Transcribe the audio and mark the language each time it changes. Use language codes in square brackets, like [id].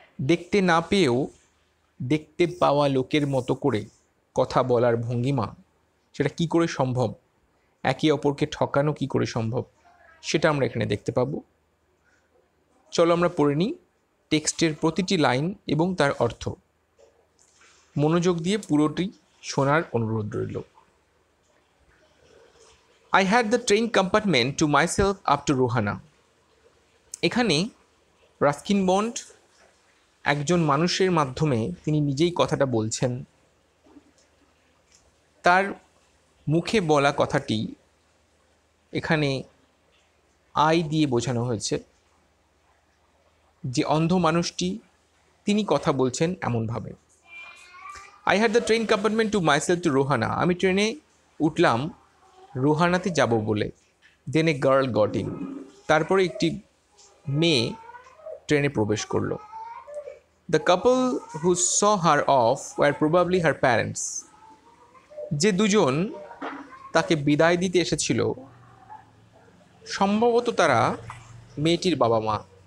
[bn] দেখতে না পেয়েও দেখতে পাওয়া লোকের মতো করে কথা বলার ভঙ্গিমা, সেটা কী করে সম্ভব, একে অপরকে ঠকানো কী করে সম্ভব, সেটা আমরা এখানে দেখতে পাবো। চলো আমরা পড়ে নিই টেক্সটের প্রতিটি লাইন এবং তার অর্থ, মনোযোগ দিয়ে পুরোটি শোনার অনুরোধ রইল। [en] I had the train compartment to myself up to Rohana. [bn] এখানে রাস্কিন বন্ড একজন মানুষের মাধ্যমে তিনি নিজেই কথাটা বলছেন। তার মুখে বলা কথাটি এখানে আই দিয়ে বোঝানো হয়েছে, যে অন্ধ মানুষটি তিনি কথা বলছেন এমনভাবে। [en] I had the train compartment to myself to Rohana. [bn] আমি ট্রেনে উঠলাম রোহানাতে যাব বলে। [en] then a girl got in, [bn] তারপরে একটি মেয়ে ট্রেনে প্রবেশ করল। [en] the couple who saw her off were probably her parents, [bn] যে দুজন তাকে বিদায় দিতে এসেছিল সম্ভবত তারা মেয়েটির বাবা মা।